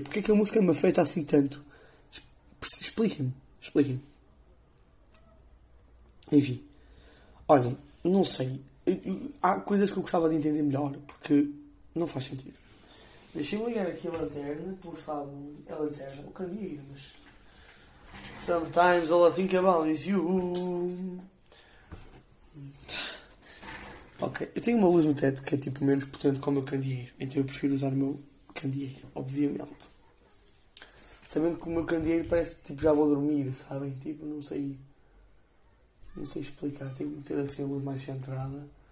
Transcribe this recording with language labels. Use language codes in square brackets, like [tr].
[pt] Porquê que a música me afeta assim tanto? Expliquem-me. Enfim. Olhem, não sei. Há coisas que eu gostava de entender melhor, porque não faz sentido. Deixem-me ligar aqui a lanterna, por favor. A lanterna, o candeeiro, mas... [en] Sometimes all I think about is you. [pt] Ok, eu tenho uma luz no teto que é tipo menos potente que o meu candeeiro, então eu prefiro usar o meu... candeeiro, obviamente. Sabendo que o meu candeeiro parece que tipo, já vou dormir, sabem? Tipo, não sei explicar. Tenho que ter assim a luz mais centrada.